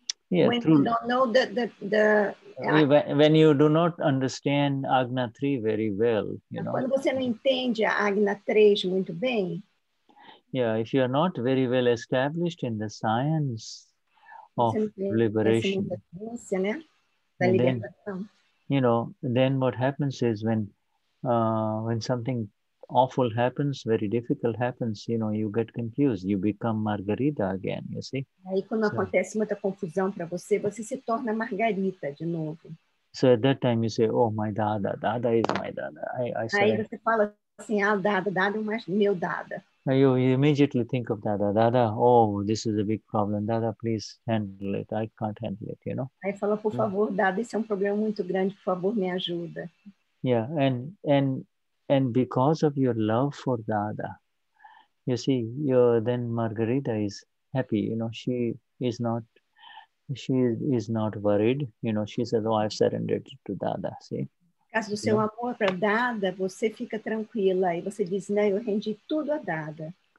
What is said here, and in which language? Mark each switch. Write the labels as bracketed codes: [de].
[en] When you do not understand Agna 3 very well, you know. [pt] Quando você não entende a Agna 3 muito bem. [en] Yeah, if you are not very well established in the science of liberation, then what happens is when something awful happens, very difficult happens, you know, you get confused, you become Margarita again, you see. [pt] Aí quando acontece muita confusão para você, você se torna Margarita de novo. [en] So at that time you say, oh, my dada, dada is my dada. I [pt] say, aí você fala assim, ah, dada, dada é meu dada. [en] You immediately think of dada, dada, oh, this is a big problem, dada, please handle it, I can't handle it, you know. [pt] Aí fala, por favor, dada, esse é problema muito grande, por favor, me ajuda. [en] Yeah, and because of your love for dada, you see, then Margarita is happy, you know, she is not worried, you know, she says, oh, I've surrendered to dada, see. [pt] Por causa do seu amor para dada, você fica tranquila e você diz, né, eu rendi tudo a dada.